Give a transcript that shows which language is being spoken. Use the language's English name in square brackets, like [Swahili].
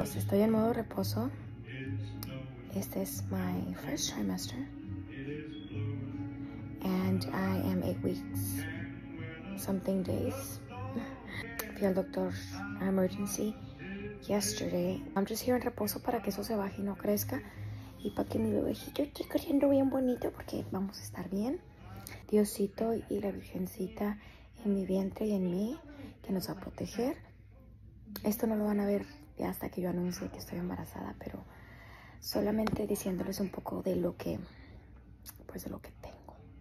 [Spanish] Estoy en modo reposo. Este es mi primer trimestre. [English] And I am 8 weeks something days. [Spanish] Fui al doctor [English] emergency yesterday. I'm just here [Spanish] en reposo para que eso se baje y no crezca. Y para que mi bebéjito esté creciendo bien bonito porque vamos a estar bien. Diosito y la virgencita en mi vientre y en mí que nos va a proteger. Esto no lo van a ver hasta que yo anuncie que estoy embarazada, pero solamente diciéndoles un poco de lo que, pues de lo que tengo.